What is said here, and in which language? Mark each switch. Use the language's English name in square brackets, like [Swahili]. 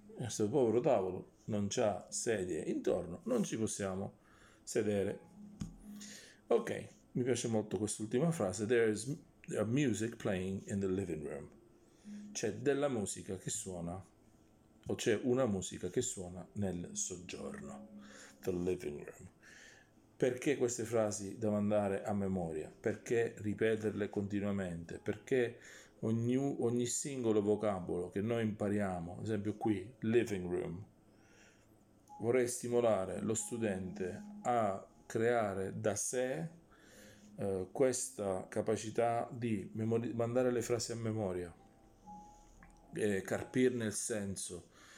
[Italian] Questo povero tavolo non c'ha sedie intorno, non ci possiamo sedere. Ok, mi piace molto quest'ultima frase. [English] There are music playing in the living room. [Italian] C'è della musica che suona, o c'è una musica che suona nel soggiorno. [English] The living room. [Italian] Perché queste frasi da mandare a memoria? Perché ripeterle continuamente? Perché ogni singolo vocabolo che noi impariamo, ad esempio qui, living room, vorrei stimolare lo studente a creare da sé questa capacità di mandare le frasi a memoria, carpirne il senso.